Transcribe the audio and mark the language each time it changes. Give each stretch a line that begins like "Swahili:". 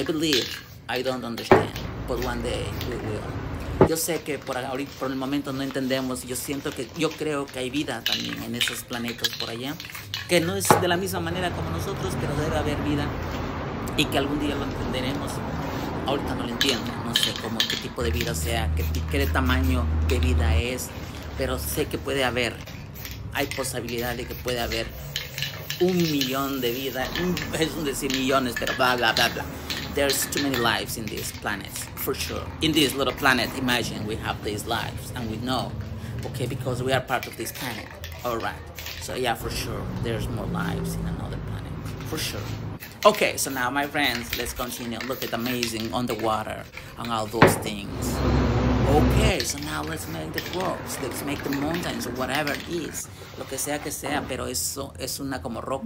English: I believe I don't understand, but one day we will.
Spanish: Yo sé que por el momento no entendemos, yo creo que hay vida también en esos planetas por allá, que no es de la misma manera como nosotros, pero debe haber vida. Y que algún día lo entenderemos. Ahorita no lo entiendo. No sé cómo, qué tipo de vida sea, qué tamaño de vida es. Pero sé que puede haber. Hay posibilidad de que puede haber 1 millón de vida. Es un decir millones, pero bla, bla, bla, bla.
English: There's too many lives in this planet, for sure. In this little planet, imagine we have these lives. And we know, okay, because we are part of this planet. All right. So, yeah, for sure, there's more lives in another planet. For sure. Okay, so now my friends, let's continue. Look at amazing on the water and all those things. Okay, so now let's make the rocks. Let's make the mountains or whatever it is.
Spanish: Lo que sea, pero eso es una como roca.